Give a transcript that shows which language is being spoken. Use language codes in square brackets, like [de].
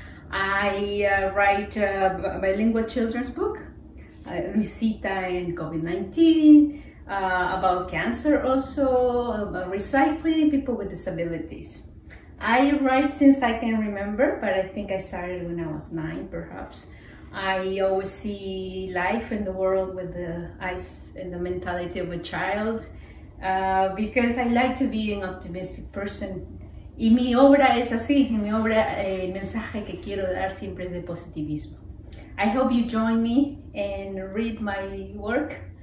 [en] I write a bilingual children's book, Luisita and COVID-19, about cancer also, about recycling, people with disabilities. I write since I can remember, but I think I started when I was 9, perhaps. I always see life in the world with the eyes and the mentality of a child, because I like to be an optimistic person. [es] Y mi obra es así, y mi obra, el mensaje que quiero dar siempre es de positivismo. [en] I hope you join me and read my work.